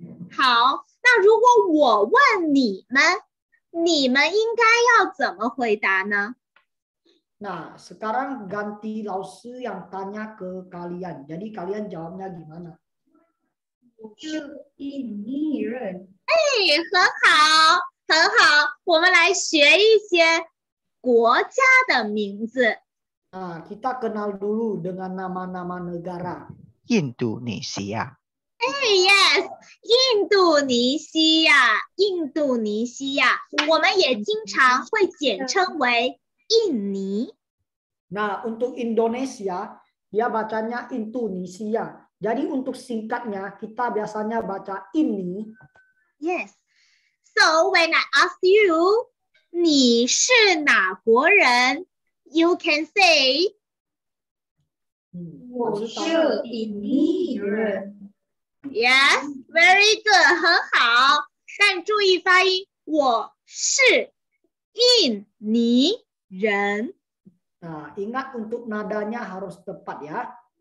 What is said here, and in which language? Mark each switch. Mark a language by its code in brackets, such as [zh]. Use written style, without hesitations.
[zh] 好, 那如果我问你们, 你们应该要怎么回答呢? [id] Nah, sekarang ganti lausi yang tanya ke kalian. Jadi kalian jawabnya gimana? [zh] 我是印尼人。哎，很好，很好。我们来学一些国家的名字。 [id] Ah, kita kenal dulu dengan nama-nama negara. Indonesia. [en] Hey, yes, Indonesia, Indonesia. [zh] 我们也经常会简称为印尼。 [id] Nah, untuk Indonesia, dia bacanya Indonesia. Jadi untuk singkatnya, kita biasanya baca ini. [en] Yes. So, when I ask you, [zh] 你是哪国人? [en] You can say, [zh] 我是印尼人。 [en] Yes, very good, [zh] 很好. 但注意发音, 我是印尼人。 [id] Nah, ingat untuk nadanya harus tepat ya.